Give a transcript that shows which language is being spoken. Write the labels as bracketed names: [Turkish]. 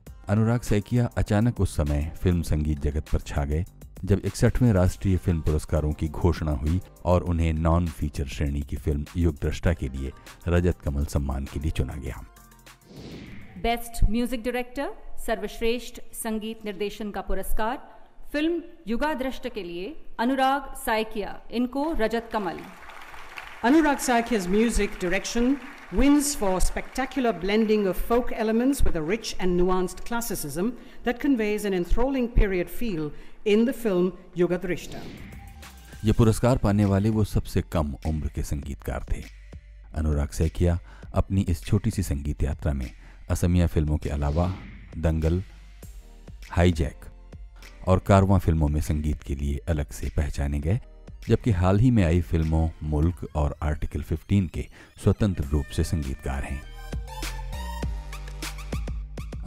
[Hindi] अनुराग सैकिया अचानक उस समय फिल्म संगीत जगत पर छा गए जब 61वें राष्ट्रीय फिल्म पुरस्कारों की घोषणा हुई और उन्हें नॉन फीचर श्रेणी की फिल्म युगदृष्टा के लिए रजत कमल सम्मान के लिए चुना गया। [English] best music director, [Hindi] सर्वश्रेष्ठ संगीत निर्देशन का पुरस्कार फिल्म युगदृष्टा के लिए अनुराग सैकिया, इनको रजत कमल। [English] Anurag Saikia's music direction wins for spectacular blending of folk elements with a rich and nuanced classicism that conveys an enthralling period feel in the film Yugadrushta. [Hindi] ये पुरस्कार पाने वाले वो सबसे कम उम्र के संगीतकार थे। अनुराग सैकिया अपनी इस छोटी सी संगीत यात्रा में असमिया फिल्मों के अलावा दंगल, हाईजैक और कारवां फिल्मों में संगीत के लिए अलग से पहचाने गए, जबकि हाल ही में आई फिल्मों मुल्क और आर्टिकल 15 के स्वतंत्र रूप से संगीतकार हैं।